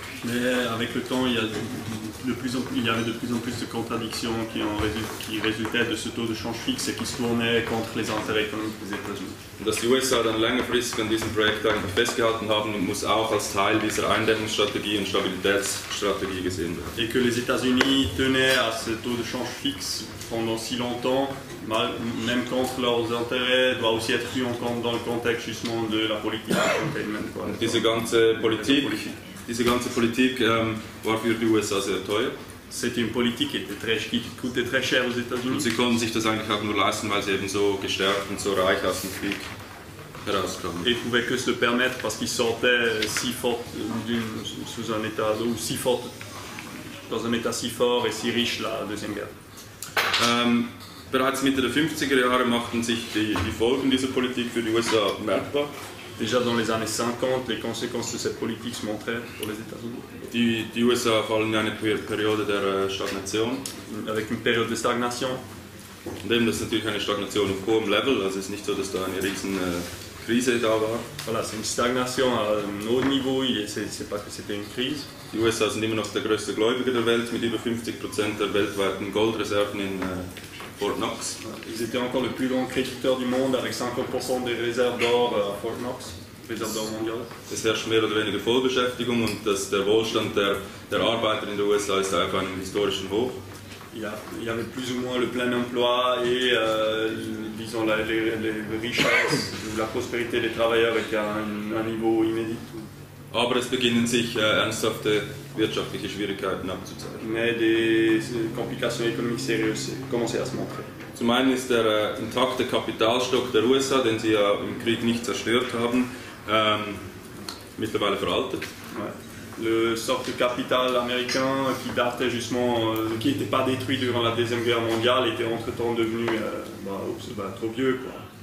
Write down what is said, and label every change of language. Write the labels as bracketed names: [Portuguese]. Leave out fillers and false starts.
[French] Mais avec le temps, il y avait de plus en plus de contradictions qui résultaient de ce taux de change fixe et qui se tournaient contre les intérêts économiques des États-Unis. [German] Dass die USA dann längerfristig an diesem Projekt festgehalten haben und muss auch als Teil dieser Eindämmungsstrategie und Stabilitätsstrategie gesehen werden. [French] Et que les États-Unis tenaient à ce taux de change fixe pendant si longtemps, même contre leurs intérêts, doit aussi être pris en compte dans le contexte justement de la politique de containment. [German] Diese ganze Politik war für die USA sehr teuer. [French] C'était une politique qui coûtait très cher aux États-Unis. [German] Und sie konnten sich das eigentlich auch nur leisten, weil sie eben so gestärkt und so reich aus dem Krieg herauskamen. [French] Ils pouvaient que se permettre parce qu'ils sortaient si fort sous un état si fort dans un état si fort et si riche la deuxième guerre. [German] Bereits Mitte der 50er Jahre machten sich die Folgen dieser Politik für die USA merkbar. [French] Déjà dans les années 50, les conséquences de cette politique se montraient pour les États-Unis. [German] Die USA fallen in eine Periode der Stagnation. [French] Avec une période de stagnation. [German] Und eben, das ist natürlich eine Stagnation auf hohem Level, also es ist nicht so, dass da eine riesen Krise da war. [French] Voilà, c'est une stagnation à un haut niveau, c'est pas que c'était une crise. [German] Die USA sind immer noch der größte Gläubiger der Welt, mit über 50% der weltweiten Goldreserven in Fort Knox. [French] Ils étaient encore le plus grand créditeur du monde avec 50% des réserves d'or à Fort Knox, réserves d'or mondiales. [German] Es herrscht mehr oder weniger Vollbeschäftigung und der Wohlstand der Arbeiter in den USA ist auf einem historischen Hoch. [French] Il y avait plus ou moins le plein emploi et disons les richesses ou la prospérité des travailleurs était à un niveau inédit. [German] Aber es beginnen sich ernsthafte wirtschaftliche Schwierigkeiten abzuzeichnen. [French] Mais des complications économiques sérieuses commençaient à se montrer. [German] Zum einen ist der intakte Kapitalstock der USA, den sie ja im Krieg nicht zerstört haben, mittlerweile veraltet. [French] Ouais. Le stock de capital américain qui datait justement, qui n'était pas détruit durant la deuxième guerre mondiale, était entre-temps devenu trop vieux, quoi.